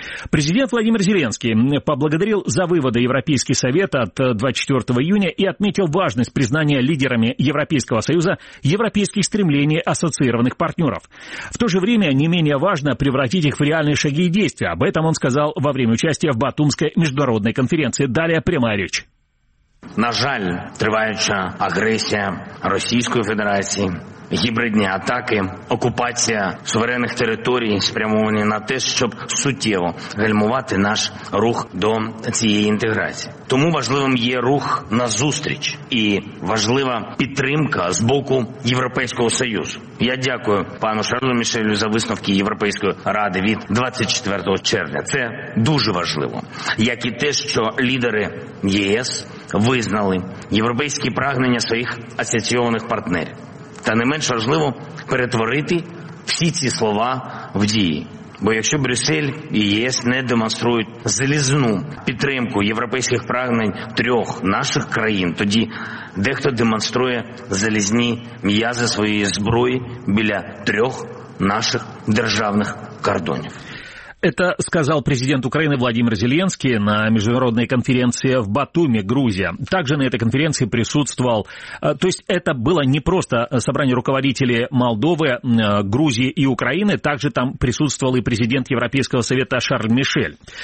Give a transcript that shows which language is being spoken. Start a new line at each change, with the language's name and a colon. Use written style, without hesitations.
Russian: Президент Владимир Зеленский поблагодарил за выводы Европейский Совет от 24 июня и отметил важность признания лидерами Европейского Союза европейских стремлений ассоциированных партнеров. В то же время не менее важно превратить их в реальные шаги и действия. Об этом он сказал во время участия в Батумской международной конференции. Далее прямая речь.
Ukrainian: На жаль, триваюча агресія Російської Федерації, гібридні атаки, окупація суверенних територій спрямовані на те, щоб суттєво гальмувати наш рух до цієї інтеграції. Тому важливим є рух назустріч і важлива підтримка з боку Європейського Союзу. Я дякую пану Шарлю Мішелю за висновки Європейської Ради від 24 червня. Це дуже важливо, як і те, що лідери ЄС визнали європейські прагнення своїх асоційованих партнерів. Та не менш важливо перетворити всі ці слова в дії. Бо якщо Брюссель і ЄС не демонструють залізну підтримку європейських прагнень трьох наших країн, тоді дехто демонструє залізні м'язи своєї зброї біля трьох наших державних кордонів.
Russian: Это сказал президент Украины Владимир Зеленский на международной конференции в Батуми, Грузия. Также на этой конференции присутствовал... То есть это было не просто собрание руководителей Молдовы, Грузии и Украины, также там присутствовал и президент Европейского совета Шарль Мишель.